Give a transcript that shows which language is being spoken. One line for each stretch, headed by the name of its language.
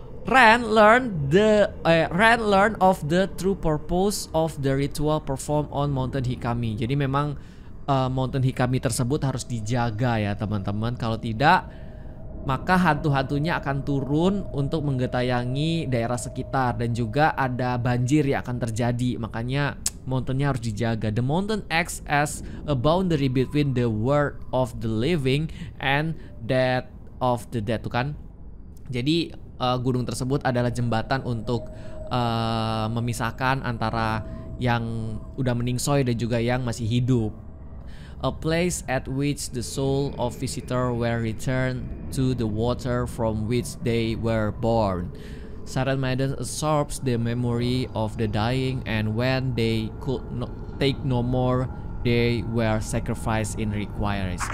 English: Ren learn of the true purpose of the ritual performed on Mountain Hikami.
Indonesian: Jadi memang Mountain Hikami tersebut harus dijaga ya, teman-teman. Kalau tidak, maka hantu-hantunya akan turun untuk menggetayangi daerah sekitar dan juga ada banjir yang akan terjadi. Makanya mountainnya harus dijaga.
English: The mountain acts as a boundary between the world of the living and that of the dead,
Indonesian: tuh kan? Jadi gunung tersebut adalah jembatan untuk memisahkan antara yang udah meningsoy dan juga yang masih hidup.
English: a place at which the soul of visitor were returned to the water from which they were born. Siren Maiden absorbs the memory of the dying, and when they could not take no more, they were sacrificed in requires.